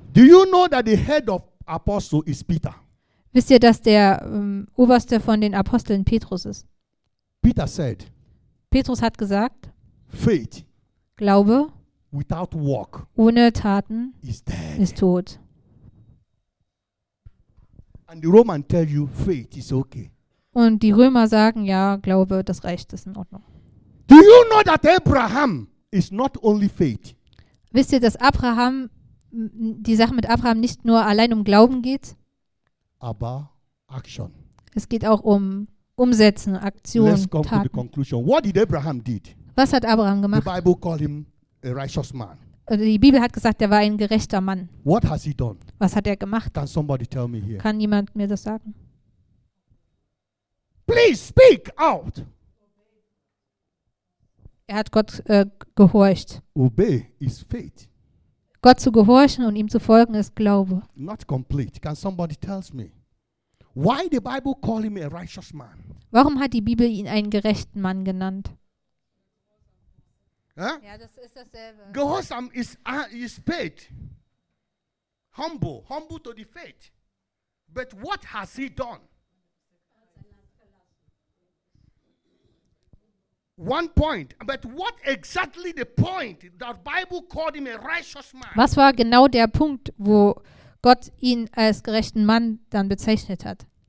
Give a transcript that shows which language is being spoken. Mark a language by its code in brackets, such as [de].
[en] Do you know that the head of apostle is Peter? [de] Wisst ihr, dass der Oberste von den Aposteln Petrus ist? [en] Peter said, [de] Petrus hat gesagt, [en] faith [de] Glaube [en] without work [de] ohne Taten [en] is dead. [de] Ist tot. [en] And the Roman tell you, faith is okay. [de] Und die Römer sagen, ja, Glaube, das reicht, das ist in Ordnung. [en] Do you know that Abraham is not only faith? [de] Wisst ihr, dass Abraham, die Sache mit Abraham nicht nur allein um Glauben geht? Aber Action. Es geht auch um umsetzen, Aktion, [en] Let's come [de] Taten. [en] To the conclusion. What did Abraham did? [de] Was hat Abraham gemacht? [en] The Bible called him a righteous man. [de] Die Bibel hat gesagt, er war ein gerechter Mann. [en] What has he done? [de] Was hat er gemacht? [en] Can somebody tell me here? [de] Kann jemand mir das sagen? [en] Please speak out. [de] Er hat Gott gehorcht. [en] Obey is faith. [de] Gott zu gehorchen und ihm zu folgen ist Glaube. [en] Not complete. Can somebody tell me? Why the Bible call him a righteous man? [de] Warum hat die Bibel ihn einen gerechten Mann genannt? Ja, das ist dasselbe. [en] Gehorsam is faith. Humble to the faith. But what has he done? One point, but what exactly the point that Bible called him a righteous man? [de] Was war genau der Punkt, wo Gott ihn als gerechten Mann dann bezeichnet hat?